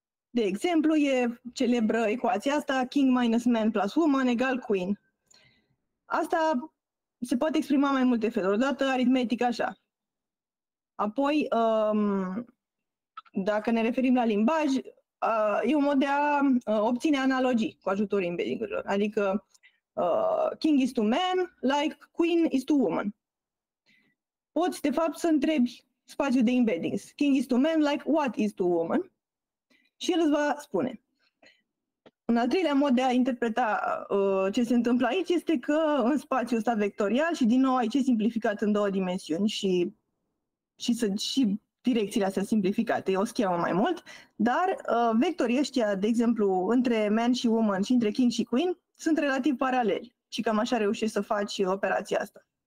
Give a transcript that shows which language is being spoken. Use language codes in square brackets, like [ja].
[ro] De exemplu, e celebră ecuația asta, [en] king minus man plus woman [ro] egal queen. Asta se poate exprima mai multe feluri. Odată aritmetic așa. Apoi, dacă ne referim la limbaj, e un mod de a obține analogii cu ajutorul embeddingurilor. [en] Adică king is to man, like queen is to woman. [ro] Poți, de fapt, să întrebi spațiul de embeddings. [en] King is to man, like what is to woman? [ro] Și el îți va spune. Un al treilea mod de a interpreta ce se întâmplă aici este că în spațiul ăsta vectorial și din nou aici e simplificat în două dimensiuni și direcțiile astea simplificate, e o schemă mai mult, dar vectorii ăștia, de exemplu, între man și woman și între king și queen, sunt relativ paraleli și cam așa reușești să faci operația asta.